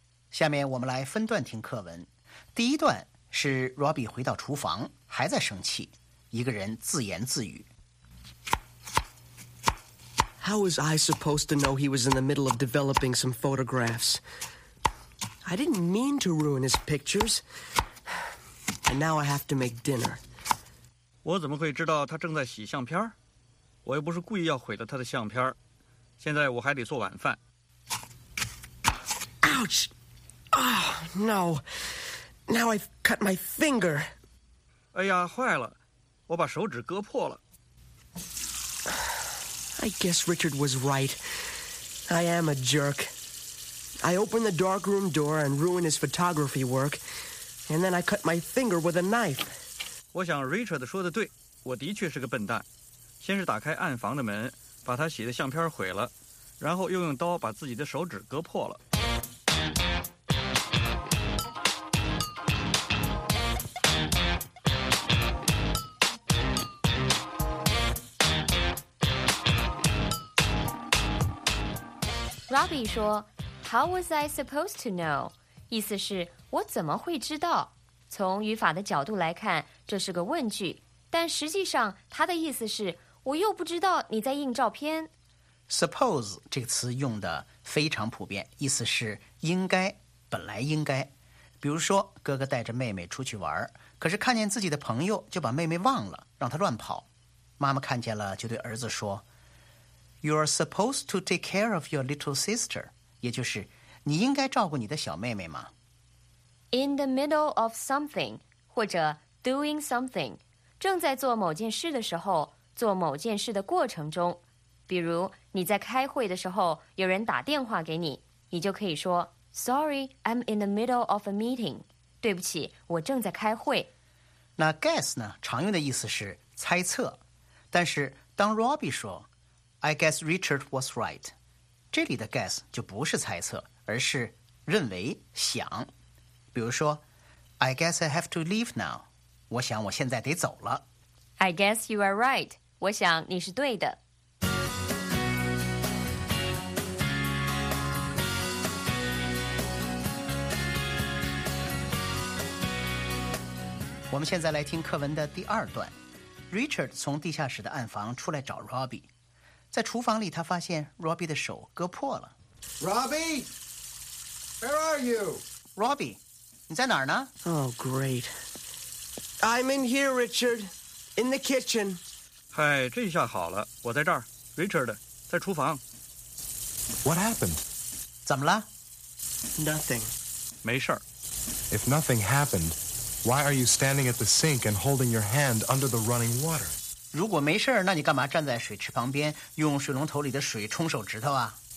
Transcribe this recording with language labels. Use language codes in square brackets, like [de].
[zh] 下面我们来分段听课文。第一段是 Robbie 回到厨房还在生气，一个人自言自语。 [en] How was I supposed to know he was in the middle of developing some photographs? I didn't mean to ruin his pictures. And now I have to make dinner. [zh] 我怎么会知道他正在洗相片？我又不是故意要毁了他的相片。现在我还得做晚饭。 [en] Ouch! Oh, no. Now I've cut my finger. [zh] 哎呀，坏了，我把手指割破了。 [en] I guess Richard was right. I am a jerk. I open the darkroom door and ruin his photography work, and then I cut my finger with a knife. [zh] 我想 Richard 说的对，我的确是个笨蛋。先是打开暗房的门，把他洗的相片毁了，然后又用刀把自己的手指割破了。 [en] Robbie 说 How was I supposed to know? [zh] 意思是我怎么会知道？从语法的角度来看，这是个问句，但实际上它的意思是我又不知道你在印照片。 Suppose 这个词用的非常普遍，意思是应该，本来应该。比如说哥哥带着妹妹出去玩，可是看见自己的朋友就把妹妹忘了，让她乱跑。妈妈看见了就对儿子说 [en] You are supposed to take care of your little sister. [zh] 也就是你应该照顾你的小妹妹吗 [en] In the middle of something, [zh] 或者 [en] doing something, [zh] 正在做某件事的时候，做某件事的过程中。比如你在开会的时候，有人打电话给你，你就可以说 [en] Sorry, I'm in the middle of a meeting. [zh] 对不起，我正在开会。那 guess 呢，常用的意思是猜测。但是当 [en] Robbie 说I guess Richard was right. [zh] 这里的 guess 就不是猜测，而是认为、想。比如说 [en] ，I guess I have to leave now. [zh] 我想我现在得走了。 [en] I guess you are right. [zh] 我想你是对的。我们现在来听课文的第二段。Richard 从地下室的暗房出来找 Robbie。在厨房里他发现 Robbie 的手割破了 [en] Robbie! Where are you? [zh] Robbie, 你在哪儿呢 [en] Oh, great. I'm in here, Richard. In the kitchen. [zh] 嗨，这下好了，我在这儿。 Richard, 在厨房。 [en] What happened? [zh] 怎么了 [en] Nothing. [zh] 没事儿。 [en] If nothing happened, why are you standing at the sink and holding your hand under the running water? [zh] 如果没事儿，那你干嘛站在水池旁边用水龙头里的水冲手指头啊